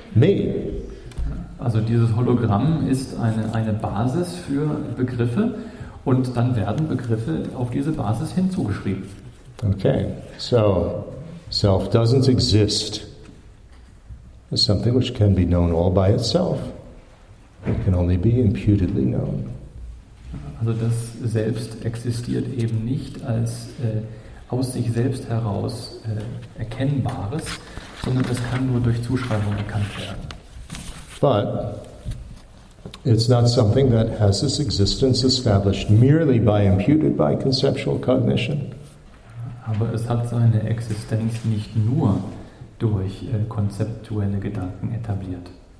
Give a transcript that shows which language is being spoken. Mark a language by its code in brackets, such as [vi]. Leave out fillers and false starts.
[en] Me. [de] Also dieses Hologramm ist eine Basis für Begriffe, und dann werden Begriffe auf diese Basis hinzugeschrieben. [en] Okay. So self doesn't exist as something which can be known all by itself. It can only be imputedly known. [de] Also das Selbst existiert eben nicht als aus sich selbst heraus Erkennbares, sondern es kann nur durch Zuschreibung erkannt werden. [en] But It's not something that has its existence established merely by imputed by conceptual cognition. [de] Aber es hat seine Existenz nicht nur durch konzeptuelle Gedanken etabliert.